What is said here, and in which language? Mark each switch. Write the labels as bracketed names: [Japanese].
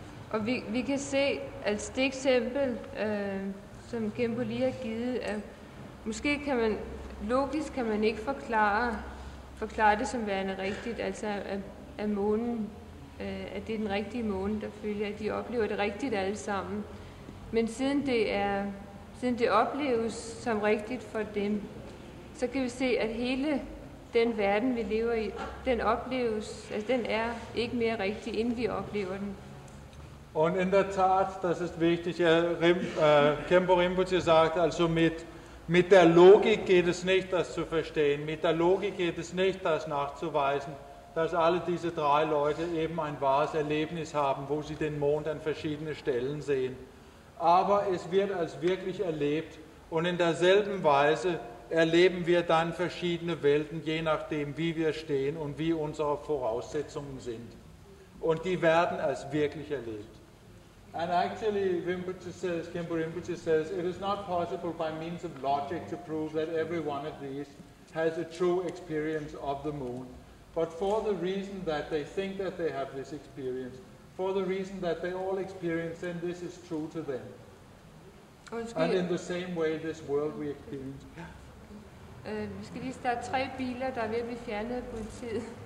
[Danish] Og vi kan se, at det eksempel, som Gembo lige har givet, at måske kan man, logisk kan man ikke forklare det som værende rigtigt, altså at månen, at det er den rigtige måne, der følger, at de oplever det rigtigt alle sammen. Men siden det opleves som rigtigt for dem, så kan vi se, at hele den verden, vi lever i, den opleves, altså den er ikke mere rigtig, inden vi oplever den. [German] Und in der Tat, das ist wichtig, Kempo Rinpoche sagt, also mit der Logik geht es nicht, das zu verstehen, mit der Logik geht es nicht, das nachzuweisen, dass alle diese drei Leute eben ein wahres Erlebnis haben, wo sie den Mond an verschiedenen Stellen sehen. Aber es wird als wirklich erlebt und in derselben Weise erleben wir dann verschiedene Welten, je nachdem, wie wir stehen und wie unsere Voraussetzungen sind. Und die werden als wirklich erlebt. [English] And actually, Rinpoche says, Kempo Rinpoche says, it is not possible by means of logic to prove that every one of these has a true experience of the moon. But for the reason that they think that they have this experience, for the reason that they all experience, then this is true to them. And in the same way, this world we experience. [Danish] Vi skal lige starte tre biler, der er ved at blive fjernet af politiet.